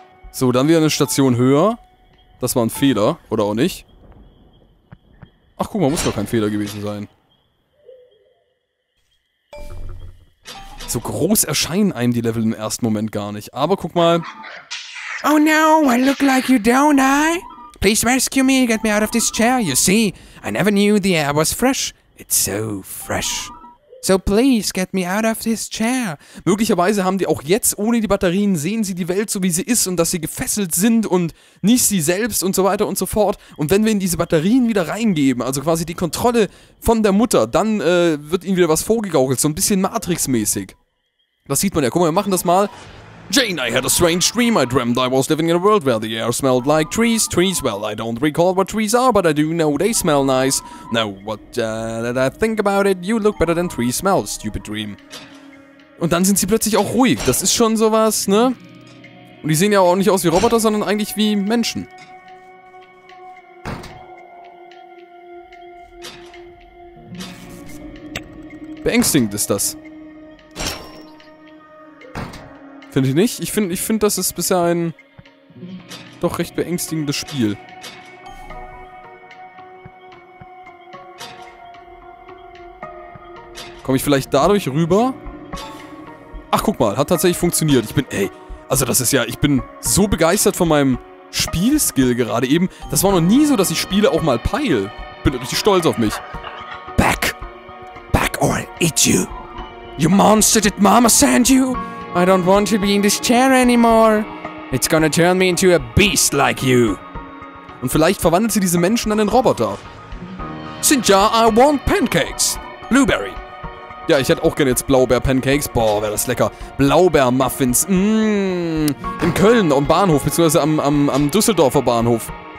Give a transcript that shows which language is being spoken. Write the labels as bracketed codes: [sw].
[de] So, dann wieder eine Station höher. Das war ein Fehler, oder auch nicht? Ach guck mal, muss doch kein Fehler gewesen sein. So groß erscheinen einem die Level im ersten Moment gar nicht. Aber guck mal. [en] Oh no, I look like you, don't I? Please rescue me, get me out of this chair, you see. I never knew the air was fresh. It's so fresh. So please get me out of this chair. [de] Möglicherweise haben die auch jetzt ohne die Batterien, sehen sie die Welt so wie sie ist und dass sie gefesselt sind und nicht sie selbst und so weiter und so fort. Und wenn wir ihnen diese Batterien wieder reingeben, also quasi die Kontrolle von der Mutter, dann wird ihnen wieder was vorgegaukelt, so ein bisschen Matrix-mäßig. Das sieht man ja. Guck mal, wir machen das mal. [en] Jane, I had a strange dream. I dreamt I was living in a world where the air smelled like trees. Trees, well, I don't recall what trees are, but I do know they smell nice. Now, what did I think about it? You look better than trees smell, stupid dream. [de] Und dann sind sie plötzlich auch ruhig. Das ist schon sowas, ne? Und die sehen ja auch nicht aus wie Roboter, sondern eigentlich wie Menschen. Beängstigend ist das. Finde ich nicht. Ich find, das ist bisher ein doch recht beängstigendes Spiel. Komme ich vielleicht dadurch rüber? Ach, guck mal, hat tatsächlich funktioniert. Ich bin so begeistert von meinem Spielskill gerade eben. Das war noch nie so, dass ich Spiele auch mal peile. Bin richtig stolz auf mich. [en] Back. Back or I'll eat you. You monster, did Mama send you? I don't want to be in this chair anymore. It's gonna turn me into a beast like you. [de] Und vielleicht verwandelt sie diese Menschen dann in Roboter. [en] Cynthia, I want pancakes. Blueberry. [de] Ja, ich hätte auch gerne jetzt Blaubeer-Pancakes. Boah, wäre das lecker. Blaubeer-Muffins. In Köln am Bahnhof, beziehungsweise am Düsseldorfer Bahnhof.